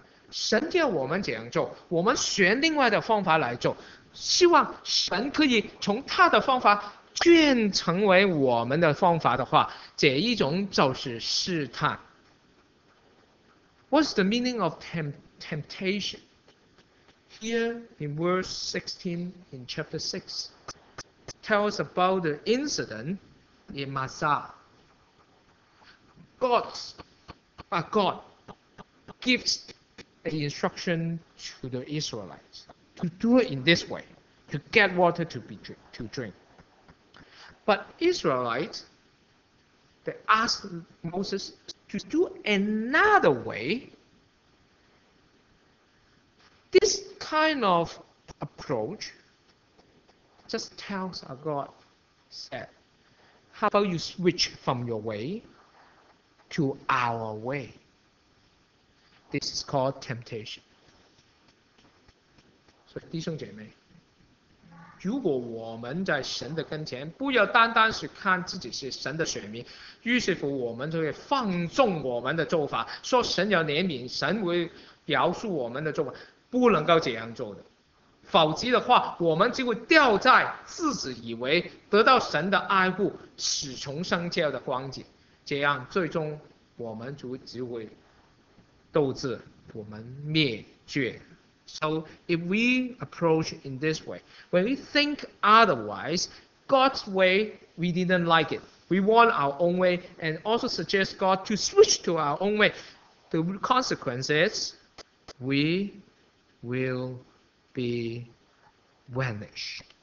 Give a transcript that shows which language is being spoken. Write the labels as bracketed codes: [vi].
[zh] 神叫我们怎样做，我们选另外的方法来做，希望神可以从他的方法变成为我们的方法的话，这一种就是试探。 [en] What's the meaning of temptation? Here in verse 16 in chapter 6, tells about the incident in Massah. God gives the instruction to the Israelites to do it in this way, to get water to drink. But Israelites, they asked Moses to do another way. This kind of approach just tells our God, said, "How about you switch from your way to our way?" This is called temptation. [zh] 所以弟兄姐妹，如果我们在神的跟前，不要单单是看自己是神的选民，于是乎我们就会放纵我们的做法，说神有怜悯，神会饶恕我们的做法，不能够这样做的。否则的话，我们就会掉在自己以为得到神的爱护，死从生跳的光景，这样最终我们就只会斗志，我们灭绝。 [en] So if we approach in this way, when we think otherwise, God's way, we didn't like it. We want our own way and also suggest God to switch to our own way. The consequence is we will be vanished.